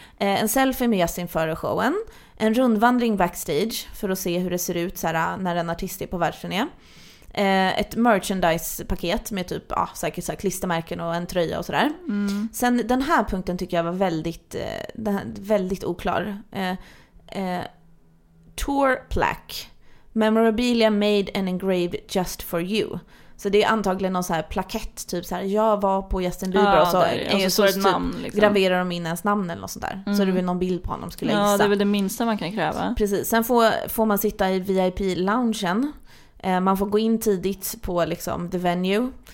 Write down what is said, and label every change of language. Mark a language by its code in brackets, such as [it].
[sv] En selfie med Justin före showen, en rundvandring backstage för att se hur det ser ut så här, när en artist är på världsturné. Ett merchandise-paket med typ säkert så här klistermärken och en tröja och sådär. Mm. Sen den här punkten tycker jag var väldigt oklar. [en] Tour plaque, memorabilia made and engraved just for you. [sv] Så det är antagligen någon så här plakett, typ så här, jag var på Justin Bieber och så står ett namn liksom. Graverar de in ens namn eller något sånt där. Mm. Så det är väl någon bild på honom skulle gissa. Ja, det är väl det minsta man kan kräva. Precis. Sen får man sitta i VIP-loungen. Man får gå in tidigt på liksom the venue.